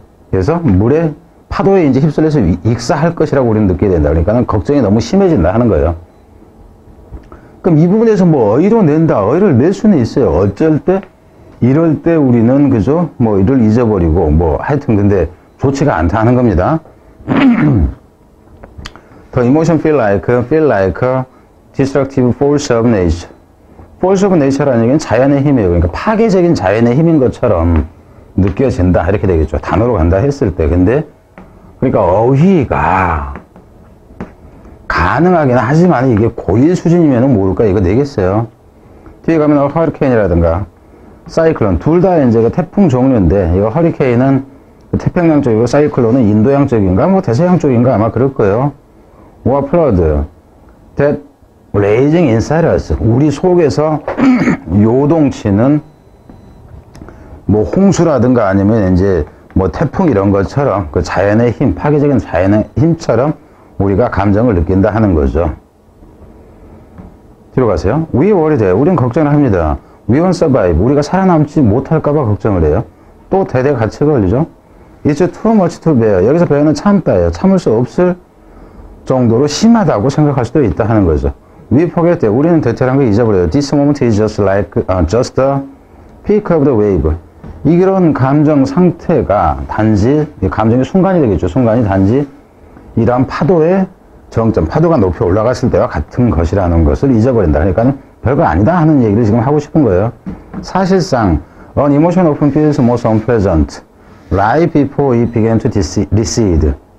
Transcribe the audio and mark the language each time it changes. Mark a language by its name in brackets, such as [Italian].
[Korean] 그래서 물에 파도에 이제 휩쓸려서 익사할 것이라고 우리는 느끼게 된다. 그러니까는 걱정이 너무 심해진다 하는 거예요. 그럼 이 부분에서 뭐 어휘로 낸다. 어휘를 낼 수는 있어요. 어쩔 때 이럴 때 우리는, 그죠? 뭐, 이를 잊어버리고, 뭐, 하여튼, 근데, 좋지가 않다는 겁니다. [English] The emotion feel like destructive force of nature. Force of nature [Korean] 라는 얘기는 자연의 힘이에요. 그러니까 파괴적인 자연의 힘인 것처럼 느껴진다. 이렇게 되겠죠. 단어로 간다 했을 때. 근데, 그러니까 어휘가 가능하긴 하지만 이게 고의 수준이면 모를까? 이거 되겠어요. 뒤에 가면 허리케인이라든가, 사이클론. 둘 다 이제 태풍 종류인데, 이거 허리케인은 태평양 쪽이고, 사이클론은 인도양 쪽인가? 뭐 대서양 쪽인가? 아마 그럴 거예요. 와 플러드, [English] that raging inside us, [Korean] 우리 속에서 요동치는 뭐 홍수라든가 아니면 이제 뭐 태풍 이런 것처럼 그 자연의 힘, 파괴적인 자연의 힘처럼 우리가 감정을 느낀다 하는 거죠. [English] 뒤로 가세요. We worry there. [Korean] 우린 걱정을 합니다. [English] We won't survive. [Korean] 우리가 살아남지 못할까봐 걱정을 해요. 또 대대 가치 걸리죠. [English] It's too much to bear. [Korean] 여기서 배우는 참다예요. 참을 수 없을 정도로 심하다고 생각할 수도 있다 하는 거죠. [English] We forget that. [Korean] 우리는 대체라는 걸 잊어버려요. [English] This moment is just like, just the peak of the wave. [Korean] 이런 감정 상태가 단지, 감정의 순간이 되겠죠. 순간이 단지 이러한 파도의 정점, 파도가 높이 올라갔을 때와 같은 것이라는 것을 잊어버린다. 그러니까 별거 아니다 하는 얘기를 지금 하고 싶은 거예요. 사실상, [English] an emotion often feels most unpleasant right before it began to recede.